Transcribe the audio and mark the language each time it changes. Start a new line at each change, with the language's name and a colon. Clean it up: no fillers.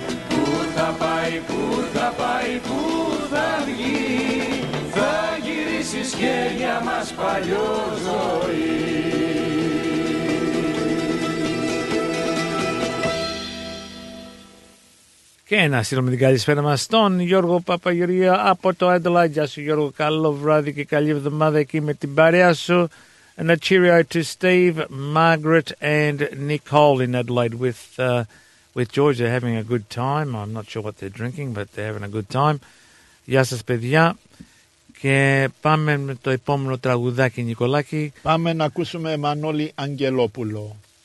Greek: Πού θα πάει, πού θα πάει, πού θα βγει, θα γυρίσεις και για μας παλιό ζωή. Και να στείλουμε την καλησπέρα μας στον Γιώργο Παπαγιωργία από το Adelaide. Γεια σου Γιώργο, καλό βράδυ και καλή εβδομάδα εκεί με την παρέα σου.
English: And a cheerio to Steve, Margaret and Nicole in Adelaide with George. They're having a good time. I'm not sure what they're drinking, but they're having a good time.
Greek: Γεια σας παιδιά. Και πάμε με το επόμενο τραγουδάκι, Νικολάκη. Πάμε να ακούσουμε Μανώλη Αγγελόπουλο.